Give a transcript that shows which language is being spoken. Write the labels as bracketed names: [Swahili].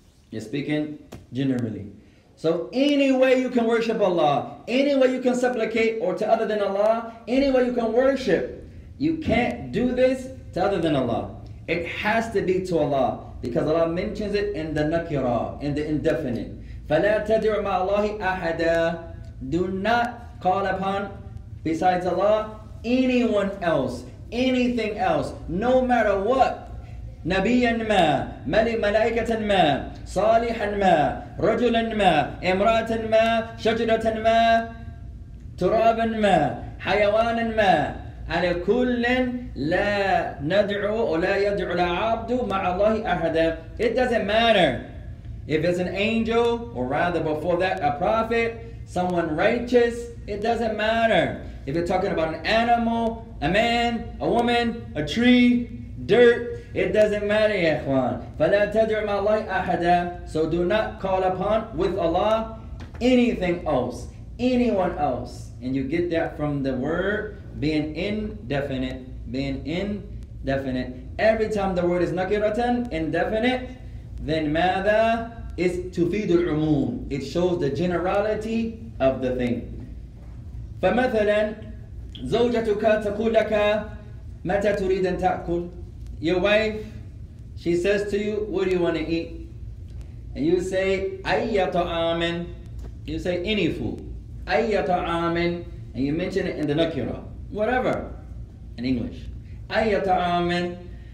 [English] You're speaking generally. So any way you can worship Allah, any way you can supplicate or to other than Allah, any way you can worship, you can't do this to other than Allah. It has to be to Allah because Allah mentions it in the nakira, in the indefinite. [Arabic] فَلَا تَدْعُ مَعَ اللَّهِ أَحَدًا. [English] Do not call upon besides Allah anyone else. Anything else, no matter what. [Arabic] نبياً ما, ملائكة ما, صالحاً ما, رجلاً ما, امرأةً ما, شجرةً ما, تراباً ما, حيواناً ما, على كل لا ندعو ولا يدعو العبد مع الله أحدا. [English] It doesn't matter if it's an angel, or rather before that a prophet, someone righteous. It doesn't matter if you're talking about an animal, a man, a woman, a tree, dirt. It doesn't matter, ya ikhwan. [Arabic] فَلَا تَدْعُ مَعَ اللَّهِ أَحَدًا. [English] So do not call upon with Allah anything else, anyone else. And you get that from the word being indefinite, being indefinite. Every time the word is نَكِرَةً, indefinite, then [Arabic] ماذا [English] is [Arabic] تُفِيدُ الْعُمُومِ. [English] It shows the generality of the thing. [Arabic] فَمَثَلًا زوجتك تقول لك متى تريد أن تأكل. [English] Your wife, she says to you, what do you want to eat? And you say, [Arabic] أي طعام. [English] You say, any food. أي طعام. And you mention it in the nakira. Whatever. In English. [Arabic] أي طعام.